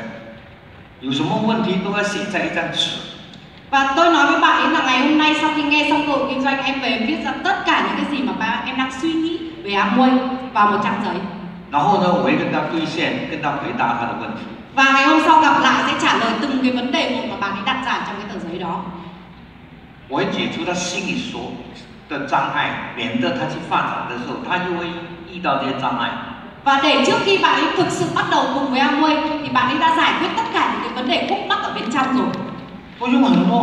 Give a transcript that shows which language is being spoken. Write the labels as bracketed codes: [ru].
[zh] 所以我慢慢回去呢，把全部他心里所想的，有什么问题都要写在一张纸。 [vi] Và tôi nói với bạn ấy là ngày hôm nay sau khi nghe xong cuộc kinh doanh, em về viết ra tất cả những cái gì mà ba em đang suy nghĩ về Amway vào một trang giấy. [zh] 然后呢，我会跟他兑现，跟他回答他的问题。 [vi] Và ngày hôm sau gặp lại sẽ trả lời từng cái vấn đề một mà bạn ấy đặt ra trong cái tờ giấy đó. [zh] 我会解除他心里所的障碍，免得他去发展的时候，他就会遇到这些障碍。 [vi] Và để trước khi bạn ấy thực sự bắt đầu cùng với Amway thì bạn ấy đã giải quyết tất cả những cái vấn đề khúc mắc ở bên trong rồi.